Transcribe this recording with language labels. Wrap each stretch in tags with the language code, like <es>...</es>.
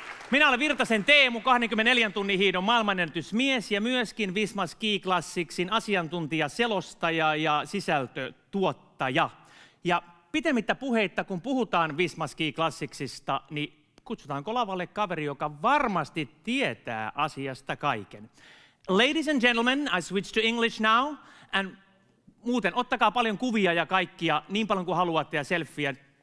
<fi>Minä olen Virtasen Teemu, 24 tunnin hiihdon maailmanennätysmies ja myöskin Visma Ski Classicsin asiantuntija, selostaja ja sisältötuottaja. Ja pitemmittä puheitta, kun puhutaan Visma Ski Classicsista, niin kutsutaanko lavalle kaveri, joka varmasti tietää asiasta kaiken.</fi> <en>Ladies and gentlemen, I switch to English now.</en> <fi>And muuten, ottakaa paljon kuvia ja kaikkia niin paljon kuin haluatte ja selfieä.</fi>